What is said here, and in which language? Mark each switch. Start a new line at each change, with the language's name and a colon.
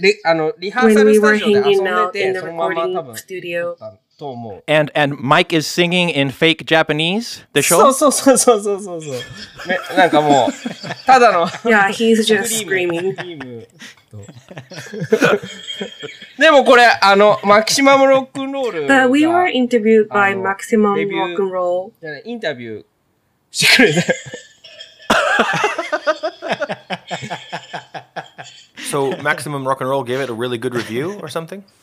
Japanese: リ、あの、リハーサルスタジオで遊んでて、そのまま多分撮ったと思う。
English: And Mike is singing in fake Japanese, the show?
Japanese: そうそうそうそうそう。ね、なんかもう、ただの。
English: Yeah, he's just screaming.
Japanese: でもこれ、あの、マキシマムロックンロール。
English: But we were interviewed by Maximum Rock and Roll.
Japanese: インタビューしてくれて。
English: So Maximum Rock and Roll gave it a really good review or something?